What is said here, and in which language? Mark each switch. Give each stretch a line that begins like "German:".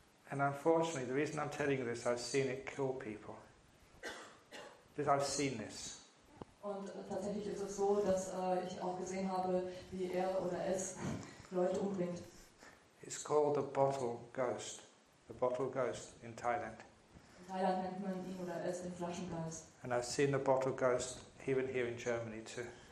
English: And unfortunately, the reason I'm telling you this, I've seen it kill people. Because I've seen this.
German: Und tatsächlich ist es so, dass ich auch gesehen habe, wie er oder es Leute umbringt.
English: It's called the bottle ghost. The bottle ghost in Thailand.
German: In Thailand nennt man ihn oder es den Flaschengeist.
English: And I've seen the bottle ghost even here in Germany too.